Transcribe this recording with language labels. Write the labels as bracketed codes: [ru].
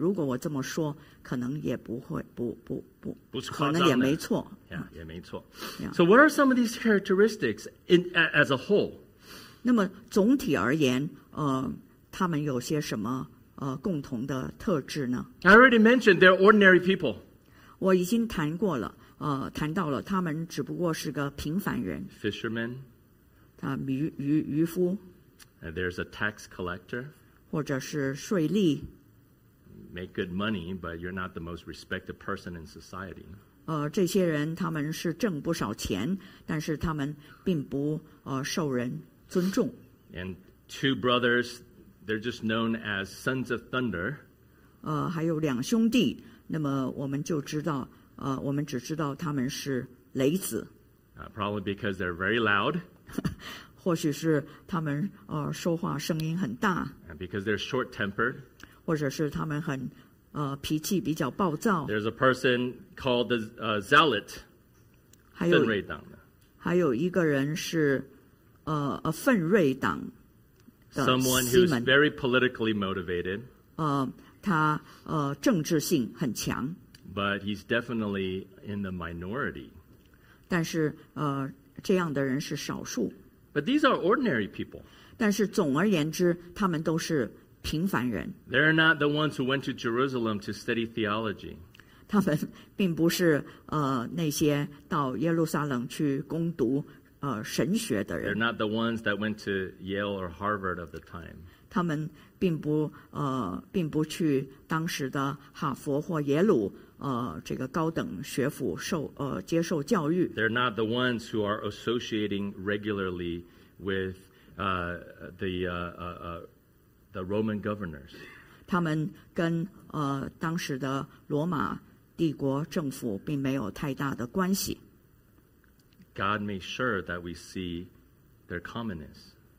[zh] 如果我这么说，可能也不会，不是可能也没错。 Yeah, 也没错。 [en] So what are some of these characteristics in as a whole? [zh] 那么总体而言，他们有些什么共同的特质呢？ [en] I already mentioned they're ordinary people. [zh] 我已经谈过了，谈到了他们只不过是个平凡人。 [en] Fishermen. [zh] 渔夫。 [en] And there's a tax collector. [zh] 或者是税吏。 [en] make good money, but you're not the most respected person in society. [zh] 这些人他们是挣不少钱，但是他们并不受人尊重。 [en] And two brothers, they're just known as sons of thunder. [zh] 还有两兄弟，那么我们就知道，我们只知道他们是雷子。 [en] Probably because they're very loud. [zh] 或许是他们说话声音很大。 [en] And because they're short-tempered. [zh] 或者是他们很脾气比较暴躁。 [en] There's a person called the zealot. [zh] 奋锐党的。还有一个人是奋锐党的西门。 [en] Someone who's very politically motivated. [zh] 他政治性很强。 [en] But he's definitely in the minority. [zh] 但是这样的人是少数。 [en] But these are ordinary people. [zh] 但是总而言之，他们都是平凡人。 [en] They're not the ones who went to Jerusalem to study theology. [zh] 他们并不是那些到耶路撒冷去攻读神学的人。 [en] They're not the ones that went to Yale or Harvard of the time. [zh] 他们并不去当时的哈佛或耶鲁这个高等学府接受教育。 [en] They're not the ones who are associating regularly with the Roman governors. [zh] 他们跟当时的罗马帝国政府并没有太大的关系。 [en] God made sure that we see their commonness.